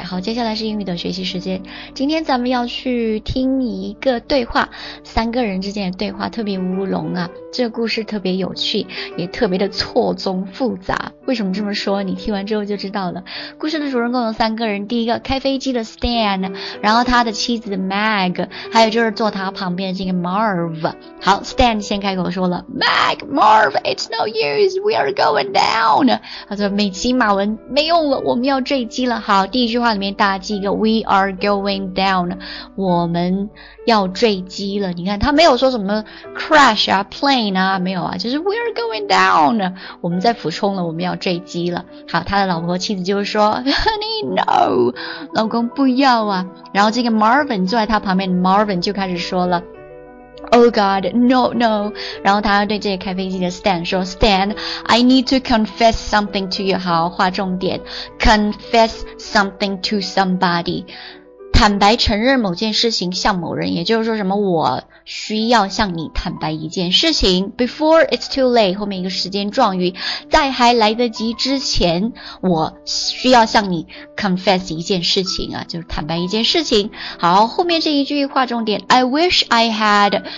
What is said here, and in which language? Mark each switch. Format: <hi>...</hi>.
<zh>好，接下来是英语的学习时间，今天咱们要去听一个对话，三个人之间的对话，特别乌龙啊，这个故事特别有趣，也特别的错综复杂。为什么这么说，你听完之后就知道了。故事的主人公有三个人，第一个开飞机的 Stan， 然后他的妻子 Meg， 还有就是坐他旁边的这个 Marv。好， Stan 先开口说了， Meg， Marv，</zh> <en>it's no useWe are going down.</en> <zh>他说美其马文没用了，我们要坠机了。好，第一句话里面大家记一个</zh> <en>We are going down，</en> <zh>我们要坠机了。你看他没有说什么 crash 啊 plane 啊，没有啊，就是</zh> <en>We are going down，</en> <zh>我们在俯冲了，我们要坠机了。好，他的老婆妻子就说</zh> <en>Honey no，</en> <zh>老公不要啊。然后这个 Marvin 坐在他旁边， Marvin 就开始说了</zh> <en>Oh God, no, no.</en> <zh>然后他对这个开飞机的 Stan 说 Stan,</zh> <en>I need to confess something to you.</en> <zh>好，划重点，</zh> <en>Confess something to somebody.</en> <zh>坦白承认某件事情向某人，也就是说什么我需要向你坦白一件事情</zh> <en>before it's too late</en> <zh>后面一个时间状语在还来得及之前我需要向你 confess 一件事情啊，就是坦白一件事情好后面这一句划重点</zh> <en>I wish I had</en>